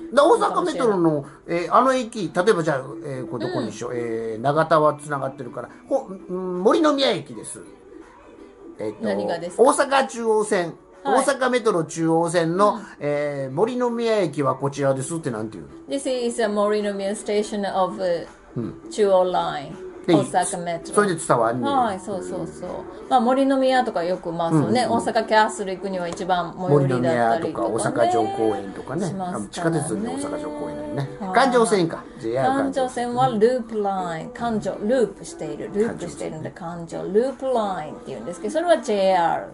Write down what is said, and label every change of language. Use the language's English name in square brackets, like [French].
[Japanese] だ、大阪メトロの、あの駅、例えばじゃあ、どこにしよう、長田はつながってるから、森宮駅です。何がですか？大阪中央線、はい、大阪メトロ中央線の、森宮駅はこちらですってなんていうの？ [English] This is a 森宮 station of 中央 line、大阪メトロ。 [Japanese] それで伝わるね。はい、そうそうそう。まあ、森宮とかよく、まあ、そうね、大阪キャッスル行くには一番最寄りだったりとか、ね。森宮とか大阪城公園とかね。しますからね。地下鉄に大阪城公園になります。ね。環状線か。環状線はループライン。環状、ループしている。ループしているんで、環状、ループラインって言うんですけど、それは JR。